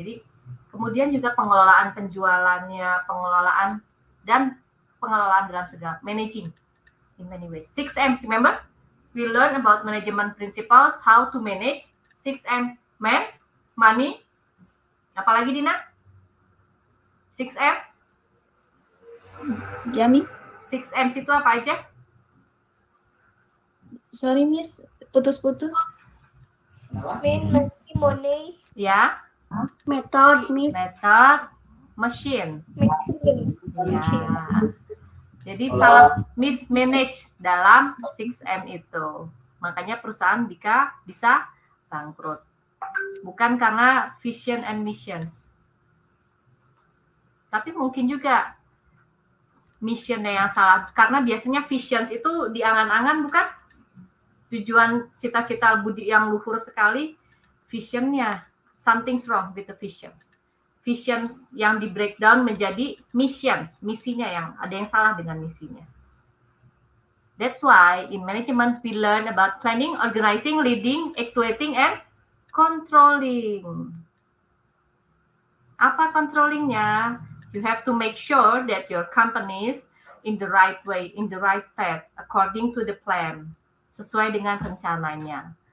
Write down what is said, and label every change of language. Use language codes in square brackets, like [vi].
[id] Jadi kemudian juga pengelolaan penjualannya, pengelolaan dan pengelolaan dalam segala [en] managing in many ways. 6M, remember? We learn about management principles, how to manage 6M, man, money. [id] Apalagi Dina? 6M? Ya, Miss. 6M itu apa aja? [en] Sorry, Miss, putus-putus. Man, money, money. [id] Ya. [en] Method, Miss. Method, machine. Ya. [id] Jadi salah mismanage dalam 6M itu. Makanya perusahaan bisa bangkrut. Bukan karena vision and missions. Tapi mungkin juga missionnya yang salah. Karena biasanya visions itu diangan-angan, bukan? Tujuan cita-cita budi yang luhur sekali, visionnya. [en] Something's wrong with the visions. [id] vision yang di breakdown menjadi mission, misinya yang ada yang salah dengan misinya. [en] That's why in management we learn about planning, organizing, leading, actuating, and controlling. Apa controllingnya? You have to make sure that your company is in the right way, in the right path, according to the plan, [id] sesuai dengan rencananya.